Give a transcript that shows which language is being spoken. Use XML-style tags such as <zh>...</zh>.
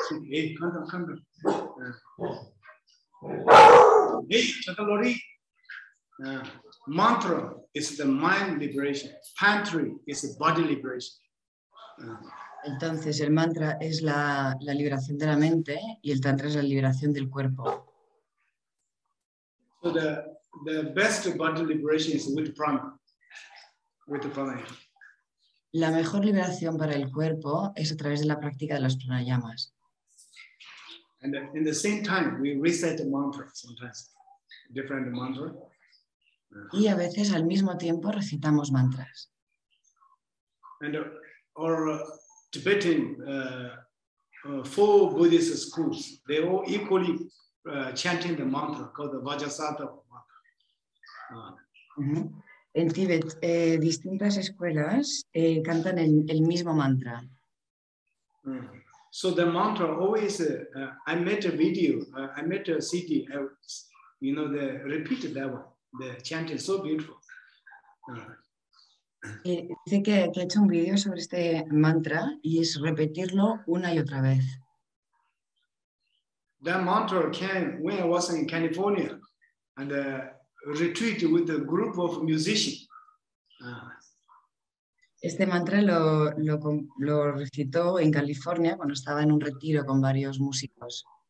<en>Hey, calm down. Hey, Chakalori. Mantra is the mind liberation. Tantra is the body liberation.</en> <es>Entonces el mantra es la liberación de la mente y el tantra es la liberación del cuerpo.</es> <en>So the best body liberation is with prana. With the pranayama.</en> <es>La mejor liberación para el cuerpo es a través de la práctica de los pranayamas.</es> <en>And in the same time we recite the mantra sometimes. Different mantra.</en> <es>Y a veces al mismo tiempo recitamos mantras.</es> <en>And our Tibetan four Buddhist schools, they all equally chanting the mantra called the Vajrasattva mantra.</en> <es>En Tíbet, distintas escuelas cantan el mismo mantra.</es> <en>So the mantra always. I made a video. I made a CD. You know, they repeated that one. The chant is so beautiful.</en> <es>Dice que ha hecho un video sobre este mantra y es repetirlo una y otra vez.</es> <en>That mantra came when I was in California and a retreat with a group of musicians.</en> <es>Este mantra lo recitó en California cuando estaba en un retiro con varios músicos.</es>